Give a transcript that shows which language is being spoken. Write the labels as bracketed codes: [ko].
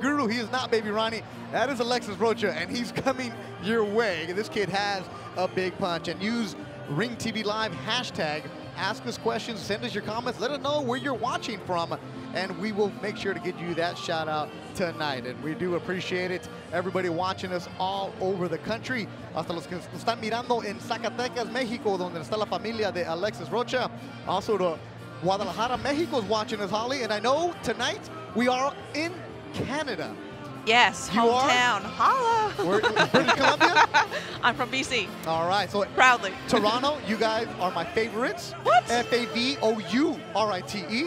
[en] Guru, he is not Baby Ronnie. That is Alexis Rocha, and he's coming your way. This kid has a big punch. And use RingTVLive hashtag. Ask us questions. Send us your comments. Let us know where you're watching from. And we will make sure to get you that shout out tonight. And we do appreciate it. Everybody watching us all over the country. [es] Hasta los que están mirando en Zacatecas, Mexico, donde está la familia de Alexis Rocha. [en] Also to Guadalajara, Mexico is watching us, Holly. And I know tonight we are in Canada. Yes, you hometown. Holla. We're in Colombia? I'm from BC. All right. So proudly. Toronto, you guys are my favorites. What? F-A-V-O-U-R-I-T-E.